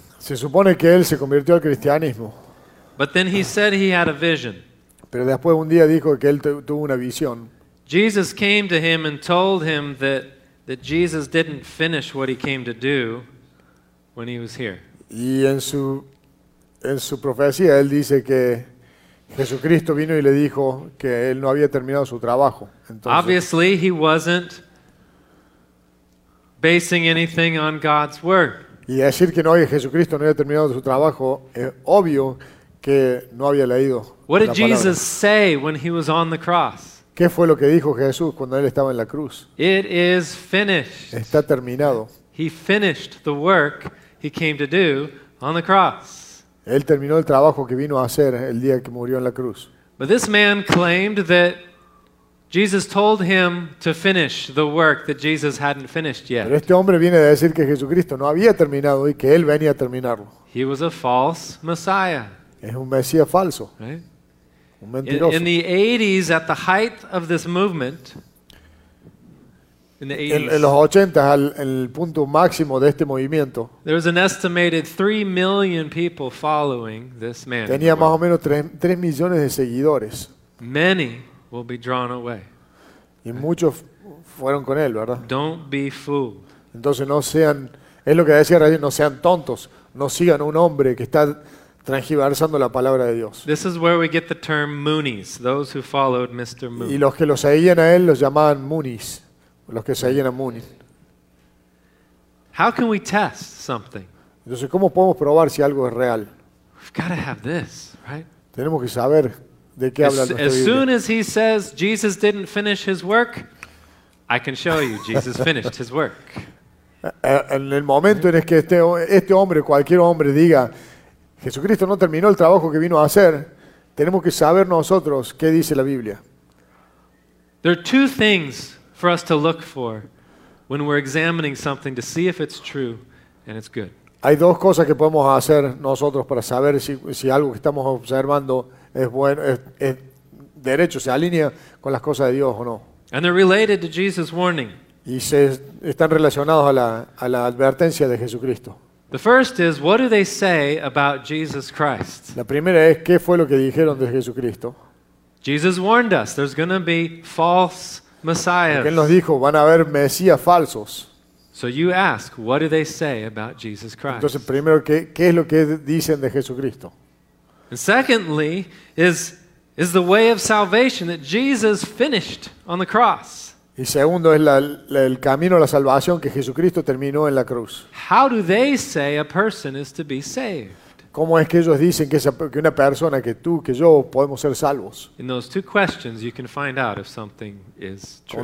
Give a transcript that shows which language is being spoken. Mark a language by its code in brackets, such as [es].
[es] Se supone que él se convirtió al cristianismo. [en] But then he said he had a vision. [es] Pero después un día dijo que él tuvo una visión. [en] Jesus came to him and told him that Jesus didn't finish what he came to do when he was here. [es] Y en su profecía él dice que Jesucristo vino y le dijo que él no había terminado su trabajo. Entonces, [en] obviously he wasn't basing anything on God's word. [es] Y decir que no había Jesucristo no había terminado su trabajo es obvio que no había leído. [en] What did Jesus say when he was on the cross? [es] ¿Qué fue lo que dijo Jesús cuando él estaba en la cruz? [en] It is finished. [es] Está terminado. [en] He finished the work he came to do on the cross. [es] Él terminó el trabajo que vino a hacer el día que murió en la cruz. [en] But this man claimed that Jesus told him to finish the work that Jesus hadn't finished yet. [es] Pero este hombre viene a decir que Jesucristo no había terminado y que él venía a terminarlo. [en] He was a false Messiah. [es] Es un mesías falso. [en] Right? In the 80s, at the height of this movement, in the 80s, [es] en los 80, el punto máximo de este movimiento, [en] there was an estimated 3 million people following this man. [es] Tenía más o menos 3 millones de seguidores. [en] Many will be drawn away. [es] Y muchos fueron con él, ¿verdad? [en] Don't be fooled. [es] Entonces no sean, es lo que decía Rayo, no sean tontos, no sigan un hombre que está transgiversando la palabra de Dios. [en] This is where we get the term Moonies, those who followed Mr. Moon. [es] Y los que lo seguían a él los llamaban Moonies, los que seguían a Moonies. [en] How can we test something? [es] Entonces, ¿cómo podemos probar si algo es real? [en] We've got to have this, right? [es] Tenemos que saber de qué habla nuestra [en] Biblia. As soon as he says Jesus didn't finish his work, I can show you Jesus finished his work. [es] En el momento en el que este hombre, cualquier hombre diga Jesucristo no terminó el trabajo que vino a hacer, tenemos que saber nosotros qué dice la Biblia. [en] There are two things for us to look for when we're examining something to see if it's true and it's good. [es] Hay dos cosas que podemos hacer nosotros para saber si algo que estamos observando es bueno, es derecho, se alinea con las cosas de Dios o no. [en] And they're related to Jesus' warning. [es] Y están relacionados a la advertencia de Jesucristo. [en] The first is, what do they say about Jesus Christ? [es] La primera es, ¿qué fue lo que dijeron de Jesucristo? [en] Jesus warned us, there's going to be false messiahs. [es] Porque él nos dijo, van a haber mesías falsos. [en] So you ask, what do they say about Jesus Christ? [es] Entonces primero, ¿qué es lo que dicen de Jesucristo? [en] And secondly, is the way of salvation that Jesus finished on the cross. [es] Y segundo es el camino a la salvación que Jesucristo terminó en la cruz. [en] How do they say a person is to be saved? [es] ¿Cómo es que ellos dicen que una persona, que tú, que yo, podemos ser salvos? [en] In those two questions, you can find out if something is true.